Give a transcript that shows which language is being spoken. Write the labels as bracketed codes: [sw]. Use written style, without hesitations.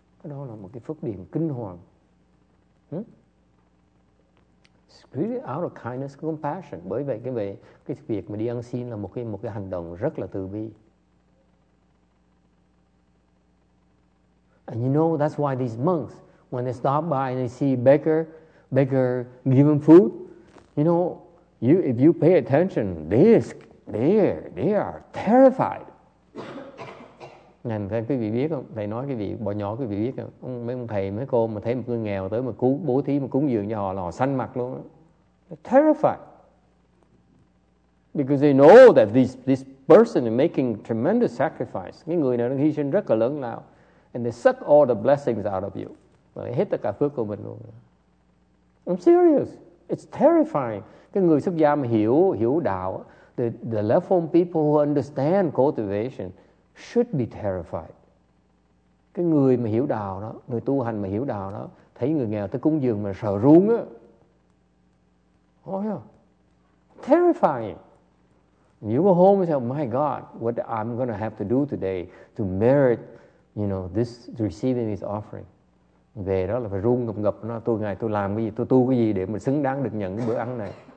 [vi] Đó là một cái phước điền kinh hoàng. [en] Really out of kindness and compassion. [vi] Bởi vậy cái việc mà đi ăn xin là một cái hành động rất là từ bi. [en] And you know that's why these monks, when they stop by and they see beggar give them food, you know, if you pay attention, they are terrified. [vi] Ngàn thầy quý vị biết không? Thầy nói quý vị, bọn nhỏ quý vị biết không? Mấy ông thầy, mấy cô mà thấy một người nghèo tới mà cứu bố thí, mà cúng dường cho họ là họ xanh mặt luôn. [en] They're terrified. Because they know that this person is making tremendous sacrifice. [vi] Cái người này đang hy sinh rất là lớn lao. [en] And they suck all the blessings out of you. [vi] Và hết tất cả phước của mình luôn. [en] I'm serious. It's terrifying. [vi] Cái người xuất gia mà hiểu đạo, [en] the level people who understand cultivation should be terrified. [vi] Cái người mà hiểu đạo đó, người tu hành mà hiểu đạo đó, thấy người nghèo tới cúng dường mà sợ run á. [en] Oh yeah. Terrifying. And you go home and say, my God, what I'm going to have to do today to merit, you know, this, receiving this offering. [vi] Về đó là phải run ngập ngập, nó tôi ngày tôi làm cái gì, tôi tu cái gì để mà xứng đáng được nhận cái bữa ăn này.